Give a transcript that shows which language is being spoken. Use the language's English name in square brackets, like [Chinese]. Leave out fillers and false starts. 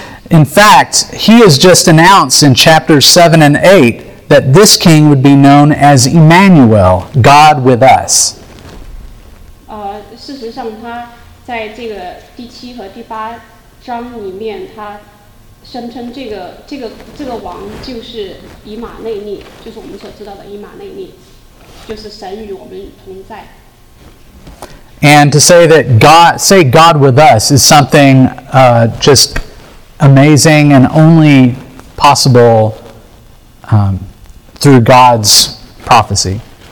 [English] In fact, he has just announced in chapters 7 and 8 that this king would be known as Emmanuel, God with us. [Chinese] 事实上他在这个第七和第八章里面，他声称这个王就是以马内利，就是我们所知道的以马内利，就是神与我们同在。 [English] And to say that God, say God with us, is something just amazing and only possible through God's prophecy.